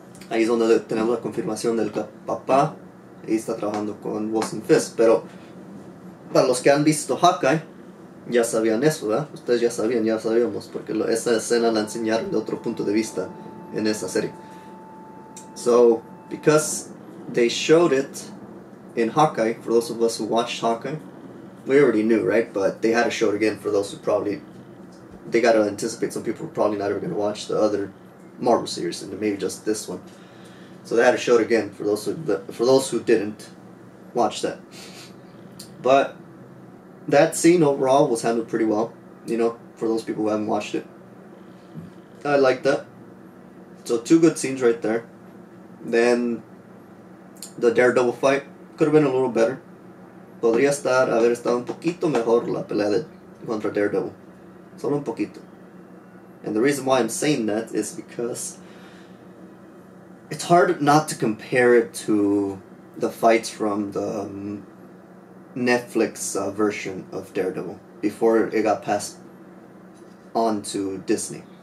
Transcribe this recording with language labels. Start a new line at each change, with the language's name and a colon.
Spanish: Ahí es donde tenemos la confirmación del papá. Y está trabajando con Wilson Fisk. Pero para los que han visto Hawkeye, ya sabían eso, ¿verdad? Ustedes ya sabían, ya sabíamos. Porque esa escena la enseñaron de otro punto de vista en esa serie.
English: So, because they showed it in Hawkeye, for those of us who watched Hawkeye, we already knew, right? But they had to show it again for those who probably... They got to anticipate some people are probably not ever going to watch the other Marvel series, and maybe just this one. So they had to show it again for those who didn't watch that. But that scene overall was handled pretty well, you know, for those people who haven't watched it. I like that. So two good scenes right there. Then the Daredevil fight could have been a little better.
Spanish: Podría estar haber estado un poquito mejor la pelea de contra Daredevil. Solo un poquito.
English: And the reason why I'm saying that is because it's hard not to compare it to the fights from the Netflix version of Daredevil before it got passed on to Disney.